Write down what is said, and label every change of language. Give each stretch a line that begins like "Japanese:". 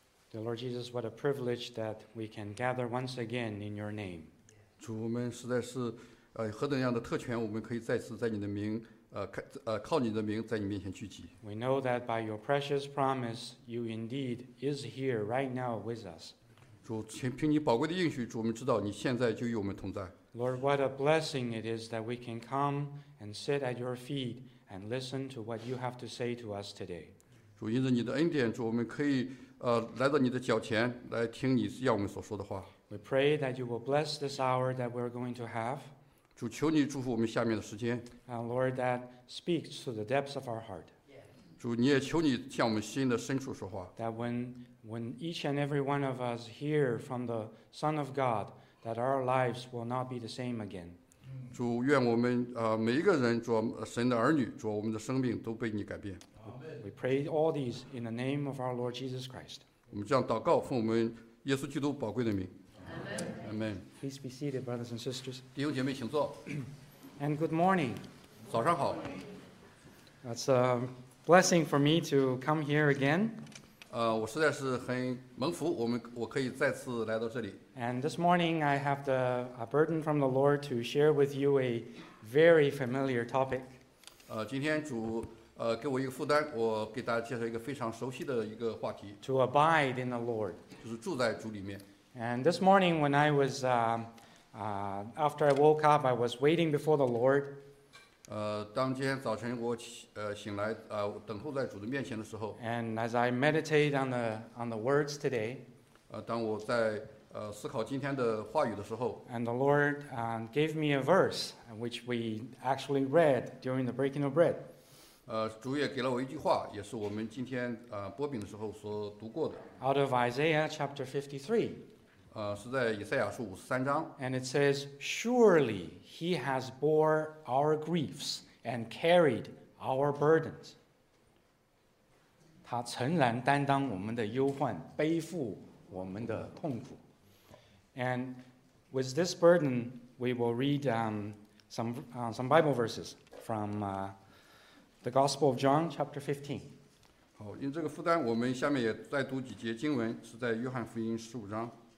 English: Dear Lord Jesus, what a privilege that we can gather once again in your name.
Chinese: 主，我们实在是，何等样的特权，我们可以再次在你的名，靠你的名，在你面前聚集。
English: We know that by your precious promise, you indeed is here right now with us.
Chinese: 主，凭你宝贵的应许，主，我们知道你现在就与我们同在。
English: Lord, what a blessing it is that we can come and sit at your feet and listen to what you have to say to us today.
Chinese: 主，因着你的恩典，主，我们可以来到你的脚前来听你要我们所说的话。
English: We pray that you will bless this hour that we're going to have.
Chinese: 主，求你祝福我们下面的时间。
English: And Lord, that speaks to the depths of our heart.
Chinese: 主，你也求你向我们心的深处说话。
English: That when each and every one of us hear from the Son of God, that our lives will not be the same again.
Chinese: 主，愿我们每一个人，主，神的儿女，主，我们的生命都被你改变。
English: We pray all these in the name of our Lord Jesus Christ.
Chinese: 我们这样祷告，奉我们耶稣基督宝贵的名。
English: Amen. Please be seated, brothers and sisters.
Chinese: 弟兄姐妹，请坐。
English: And good morning.
Chinese: 早上好。
English: That's a blessing for me to come here again.
Chinese: 我实在是很蒙福，我可以再次来到这里。
English: And this morning, I have a burden from the Lord to share with you a very familiar topic.
Chinese: 今天主给我一个负担，我给大家介绍一个非常熟悉的一个话题。
English: To abide in the Lord.
Chinese: 就是住在主里面。
English: And this morning when I was, after I woke up, I was waiting before the Lord.
Chinese: 当今天早晨我醒来，等候在主的面前的时候。
English: And as I meditate on the words today.
Chinese: 当我在思考今天的话语的时候。
English: And the Lord gave me a verse, which we actually read during the breaking of bread.
Chinese: 主也给了我一句话，也是我们今天擘饼的时候所读过的。
English: Out of Isaiah chapter 53.
Chinese: 是在以赛亚书五十三章。
English: And it says, surely he has bore our griefs and carried our burdens.
Chinese: 他诚然担当我们的忧患，背负我们的痛苦。
English: And with this burden, we will read some Bible verses from the Gospel of John, chapter 15.
Chinese: 好，因这个负担，我们下面也再读几节经文，是在约翰福音十五章。